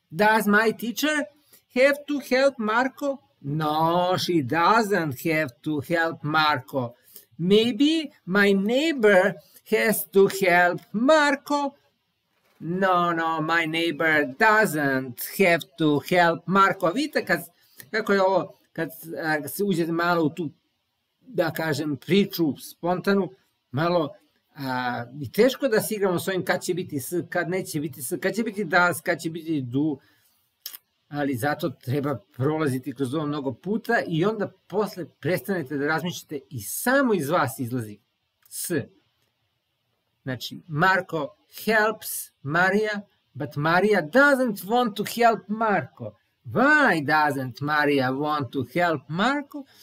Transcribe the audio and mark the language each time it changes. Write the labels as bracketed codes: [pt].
[en] Does my teacher have to help Marko? No, she doesn't have to help Marko. Maybe my neighbor has to help Marko. No, no, my neighbor doesn't have to help Marko. [sr] Vidite kako je ovo, kad se uđete malo u tu, da kažem, priču spontanu, malo i teško da si igramo s ovim kad će biti s, kad neće biti s, kad će biti das, kad će biti du, ali zato treba prolaziti kroz ovo mnogo puta i onda posle prestanete da razmišljate i samo iz vas izlazi s. [en] Znači, Marko helps Maria, but Maria doesn't want to help Marko. Why doesn't Maria want to help Marko?